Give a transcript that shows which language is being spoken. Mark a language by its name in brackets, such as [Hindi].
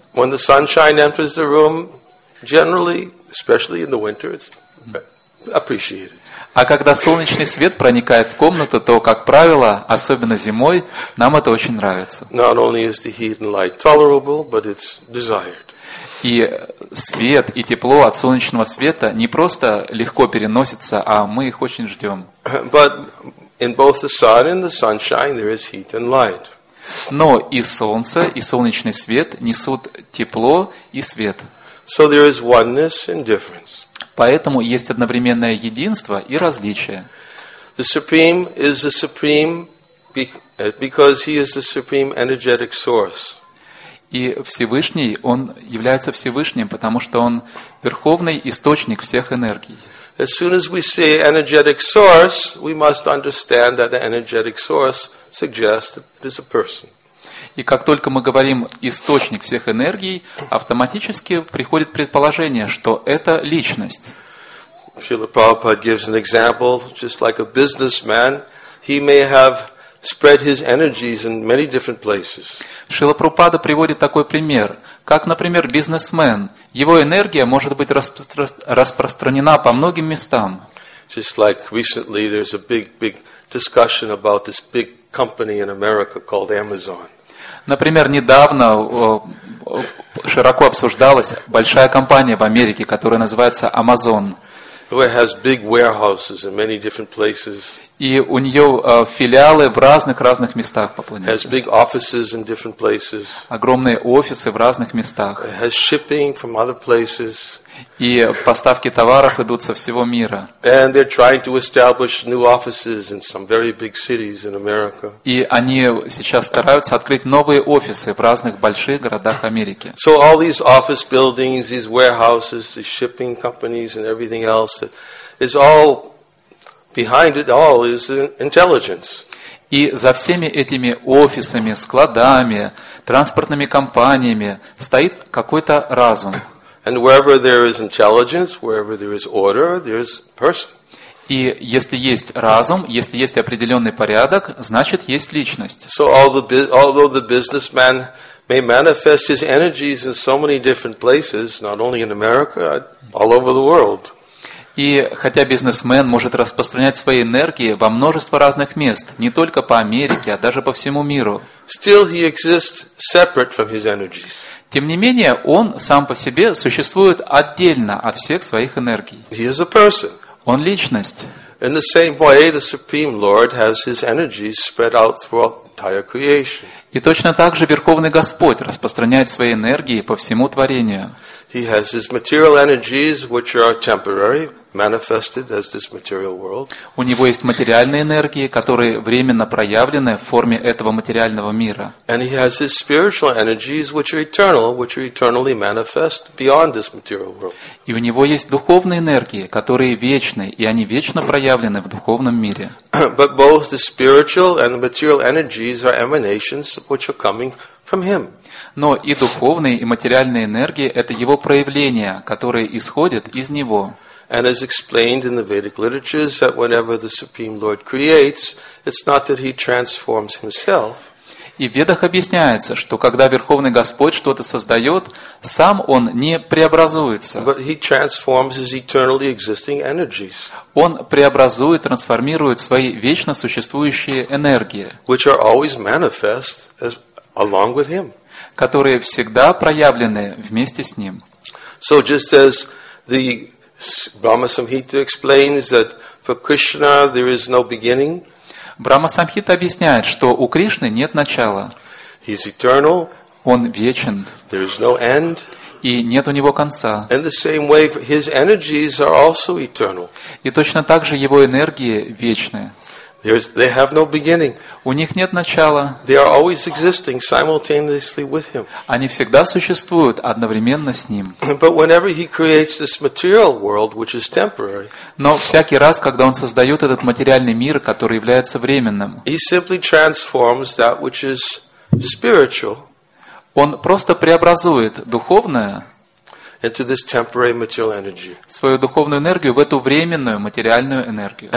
[English] When the sunshine enters the room, generally, especially in the winter, it's appreciated. [Russian] А когда солнечный свет проникает в комнату, то, как правило, особенно зимой, нам это очень нравится. [English] Not only is the heat and light tolerable, but it's desired. [Russian] И свет и тепло от солнечного света не просто легко переносится, а мы их очень ждем. [English] But in both the sun and the sunshine there is heat and light. [Russian] Но и солнце, и солнечный свет несут тепло и свет. [English] So there is oneness and difference. [Russian] Поэтому есть одновременное единство и различие. [English] The Supreme is the Supreme because He is the Supreme energetic source. [Russian] И Всевышний, Он является Всевышним, потому что Он верховный источник всех энергий. [English] As soon as we say energetic source, we must understand that the energetic source suggests that it is a person. [Russian] И как только мы говорим источник всех энергий, автоматически приходит предположение, что это личность. [English] Srila Prabhupada gives an example, just like a businessman, he may have spread his energies in many different places. [Russian] Шрила Прабхупада приводит такой пример. Как, например, бизнесмен, его энергия может быть распространена по многим местам. [English] Just like recently there's a big discussion about this big company in America called Amazon. [Russian] Например, недавно широко обсуждалась большая компания в Америке, которая называется Amazon. [English] It has big warehouses in many different places. [Russian] И у нее филиалы в разных-разных местах по планете. [English] Has big offices in different places. [Russian] Огромные офисы в разных местах. [English] Has shipping from other places. [Russian] И поставки товаров идут со всего мира. [English] And they're trying to establish new offices in some very big cities in America. [Russian] И они сейчас стараются открыть новые офисы в разных больших городах Америки. [English] So all these office buildings, these warehouses, these shipping companies and everything else that is all behind it all is intelligence. [Russian] И за всеми этими офисами, складами, транспортными компаниями стоит какой-то разум. [English] And wherever there is intelligence, wherever there is order, there is person. [Russian] И если есть разум, если есть определенный порядок, значит есть личность. [English] So although the businessman may manifest his energies in so many different places, not only in America, all over the world. [Russian] И хотя бизнесмен может распространять свои энергии во множество разных мест, не только по Америке, а даже по всему миру. [English] Still he exists separate from his energies. [Russian] Тем не менее, он сам по себе существует отдельно от всех своих энергий. [English] He is a person. [Russian] Он личность. [English] In the same way, the Supreme Lord has his energies spread out throughout the entire creation. [Russian] И точно так же Верховный Господь распространяет свои энергии по всему творению. [English] He has his material energies, which are temporary, manifested as this material world. [Russian] У него есть материальные энергии, которые временно проявлены в форме этого материального мира. [English] And he has his spiritual energies, which are eternally manifest beyond this material world. [Russian] И у него есть духовные энергии, которые вечны, и они вечно проявлены в духовном мире. [English] But both the spiritual and the material energies are emanations which are coming from him. [Russian] Но и духовные, и материальные энергии – это его проявления, которые исходят из него. [English] And as explained in the Vedic literatures, that whenever the Supreme Lord creates, it's not that he transforms himself. [Russian] И в Ведах объясняется, что когда Верховный Господь что-то создает, сам он не преобразуется. [English] But he transforms his eternally existing energies. [Russian] Он преобразует, трансформирует свои вечно существующие энергии. [English] Which are always manifest as, along with him. [Russian] Которые всегда проявлены вместе с ним. [English] So just as the Brahma Samhita explains that for Krishna there is no beginning. [Russian] Брахма Самхита объясняет, что у Кришны нет начала. [English] He is eternal. [Russian] Он вечен. [English] There is no end. [Russian] И нет у него конца. [English] In the same way, his energies are also eternal. [Russian] И точно так же его энергии вечны. [English] They have no beginning. [Russian] У них нет начала. [English] They are always existing simultaneously with him. [Russian] Они всегда существуют одновременно с ним. [English] But whenever he creates this material world, which is temporary, [Russian] но всякий раз, когда он создает этот материальный мир, который является временным, [English] he simply transforms that which is spiritual. [Russian] Он просто преобразует духовное [English] into this temporary material energy. [Russian] Свою духовную энергию в эту временную материальную энергию.